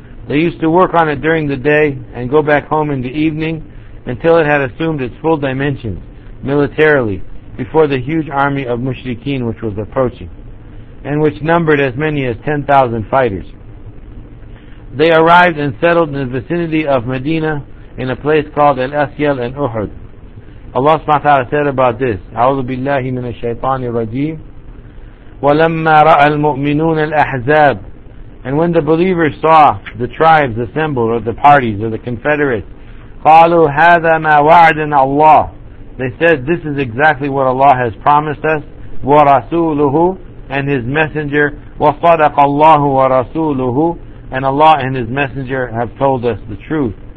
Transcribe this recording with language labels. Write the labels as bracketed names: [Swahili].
[English] They used to work on it during the day and go back home in the evening until it had assumed its full dimensions militarily before the huge army of Mushrikeen, which was approaching and which numbered as many as 10,000 fighters. They arrived and settled in the vicinity of Medina in a place called Al-Asyal and Uhud. Allah subhanahu wa ta'ala said about this, [Arabic] أعوذ بالله من الشيطان الرجيم وَلَمَّا رَأَ الْمُؤْمِنُونَ الْأَحْزَابِ. [English] And when the believers saw the tribes assembled, or the parties, or the confederates, [Arabic] قَالُوا هَذَا مَا وَعَدَنَا اللَّهُ. [English] They said, "This is exactly what Allah has promised us, [Arabic] وَرَسُولُهُ, [English] and His messenger, [Arabic] وَصَدَقَ اللَّهُ وَرَسُولُهُ, [English] and Allah and His Messenger have told us the truth.